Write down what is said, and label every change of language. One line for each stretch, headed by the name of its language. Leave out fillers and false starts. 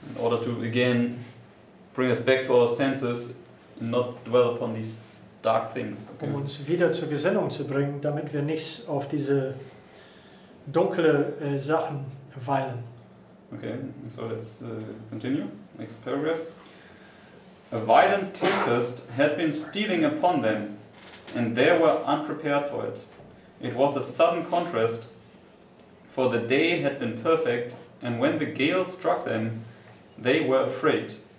English: In order to again bring us back to our senses and not dwell upon these dark things. Okay.
German: Um uns wieder zur Gesinnung zu bringen, damit wir nichts auf diese dunkle Sachen weilen.
English: Okay, so let's continue. Next paragraph. A violent tempest had been stealing upon them, and they were unprepared for it. It was a sudden contrast, for the day had been perfect, and when the gale struck them, they were afraid.